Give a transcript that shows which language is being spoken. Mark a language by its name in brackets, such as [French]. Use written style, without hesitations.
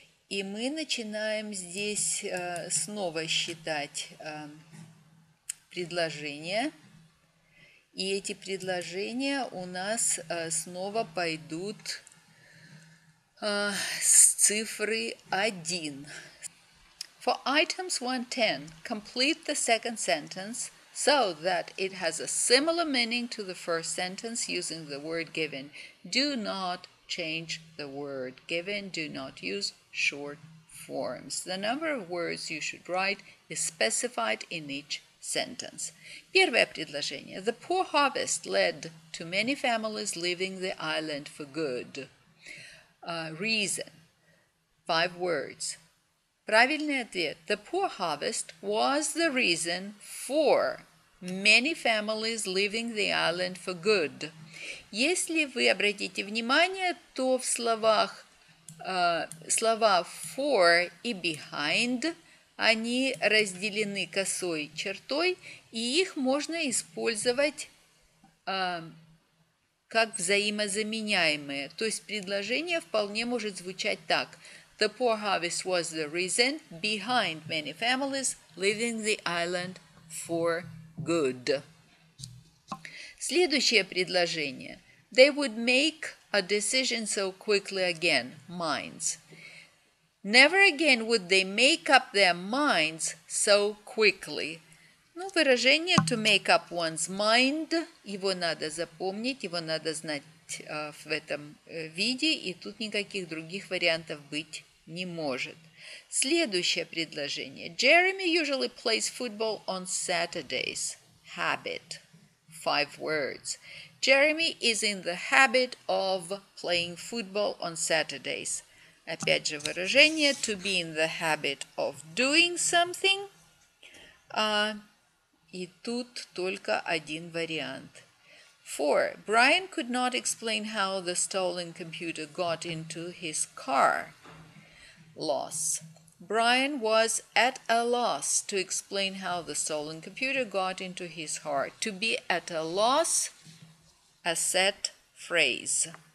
[Russian] И мы начинаем здесь снова считать предложения. И эти предложения у нас снова пойдут с цифры 1. [English] For items 1-10, complete the second sentence so that it has a similar meaning to the first sentence using the word given. Do not change the word given. Do not use short forms. The number of words you should write is specified in each sentence. [Russian] Первое предложение. [English] The poor harvest led to many families leaving the island for good. Reason. 5 words. [Russian] Правильный ответ. [English] The poor harvest was the reason for many families leaving the island for good. [Russian] Если вы обратите внимание, то в словах слова for и behind, они разделены косой чертой, и их можно использовать как взаимозаменяемые. То есть предложение вполне может звучать так. [English] The poor harvest was the reason behind many families leaving the island for good. [Russian] Следующее предложение. [English] They would make a decision so quickly again, minds. Never again would they make up their minds so quickly. [Russian] Ну, выражение [English] to make up one's mind, [Russian] его надо запомнить, его надо знать в этом виде, и тут никаких других вариантов быть не может. Следующее предложение. [English] Jeremy usually plays football on Saturdays. Habit. 5 words. Jeremy is in the habit of playing football on Saturdays. [Russian] Опять же выражение [English] to be in the habit of doing something. [Russian] И тут только один вариант. 4. [English] Brian could not explain how the stolen computer got into his car. Loss. Brian was at a loss to explain how the stolen computer got into his heart. To be at a loss, a set phrase.